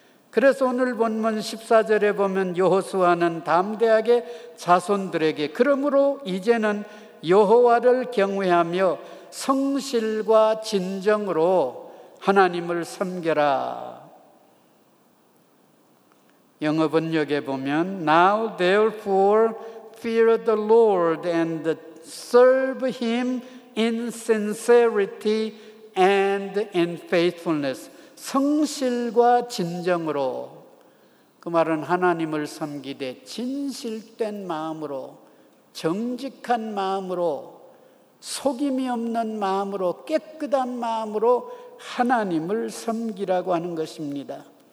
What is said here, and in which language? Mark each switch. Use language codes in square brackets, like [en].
[ko] 그래서 오늘 본문 14절에 보면 여호수아는 담대하게 자손들에게 그러므로 이제는 여호와를 경외하며 성실과 진정으로 하나님을 섬겨라. 영어 번역에 보면 [en] Now therefore fear the Lord and serve him in sincerity and in faithfulness. [ko] 성실과 진정으로, 그 말은 하나님을 섬기되 진실된 마음으로, 정직한 마음으로, 속임이 없는 마음으로, 깨끗한 마음으로 하나님을 섬기라고 하는 것입니다.